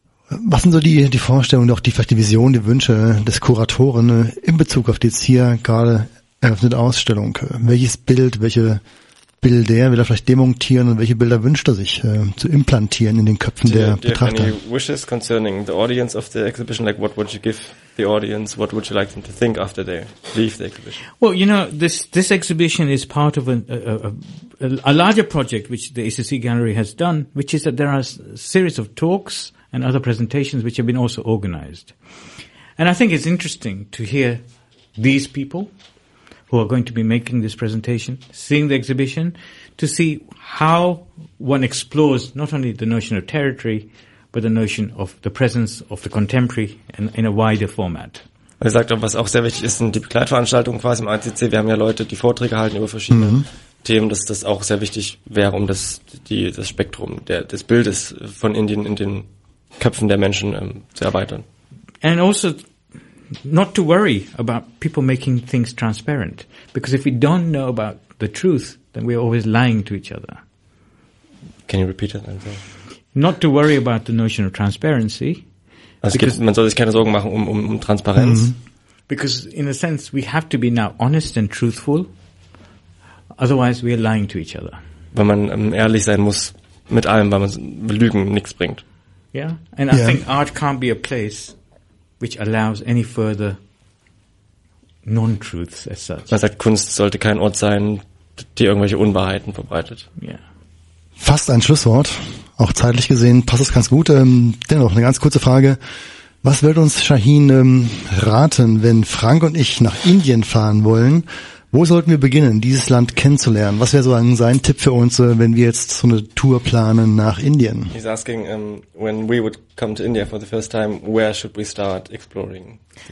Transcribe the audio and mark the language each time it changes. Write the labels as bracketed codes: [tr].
[de] Was sind so die Vorstellungen, auch die vielleicht die Vision, die Wünsche des Kuratoren in Bezug auf die jetzt hier gerade eröffnete Ausstellung? Welches Bild, welche Bilder will er vielleicht demontieren und welche Bilder wünscht er sich zu implantieren in den Köpfen der Betrachter? [en] Do you have any wishes concerning the audience of the exhibition? Like, what would you give the audience? What would you like them to think after they leave the exhibition? Well, you know, this exhibition is part of a larger project which the ACC Gallery has done, which is that there are a series of talks and other presentations which have been also organized. And I think it's interesting to hear these people who are going to be making this presentation, seeing the exhibition, to see how one explores not only the notion of territory, but the notion of the presence of the contemporary in a wider format. [de] Er sagt auch, was auch sehr wichtig ist, sind die Begleitveranstaltungen quasi im ACC. Wir haben ja Leute, die Vorträge halten über verschiedene Themen, dass das auch sehr wichtig wäre, um das Spektrum des Bildes von Indien in den Köpfen der Menschen zu erweitern. [en] And also not to worry about people making things transparent, because if we don't know about the truth, then we are always lying to each other. Can you repeat it? Also? Not to worry about the notion of transparency. [de] Also man soll sich keine Sorgen machen um Transparenz. Mm-hmm. [en] Because in a sense we have to be now honest and truthful, otherwise we are lying to each other. [de] Weil man ehrlich sein muss mit allem, weil man Lügen nichts bringt. [en] Yeah, and I think art can't be a place which allows any further non-truths as such. [de] Man sagt, Kunst sollte kein Ort sein, die irgendwelche Unwahrheiten verbreitet. Yeah. Fast ein Schlusswort, auch zeitlich gesehen passt es ganz gut. Dennoch eine ganz kurze Frage. Was wird uns Shahin raten, wenn Frank und ich nach Indien fahren wollen? Wo sollten wir beginnen, dieses Land kennenzulernen? Was wäre so sein Tipp für uns, wenn wir jetzt so eine Tour planen nach Indien? [en] He's asking, when we would come to India for the first time, where should we start exploring the